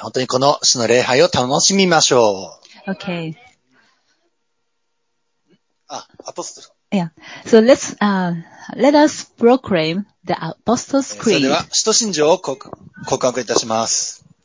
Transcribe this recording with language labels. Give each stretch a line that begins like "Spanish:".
Japanese: 本当にこの主の礼拝を楽しみましょう。
English: Okay.
Japanese: あ、アポストル。
English: Yeah. So let's, let us proclaim the Apostles' Creed.
Japanese: それでは、使徒信条を告白いたします。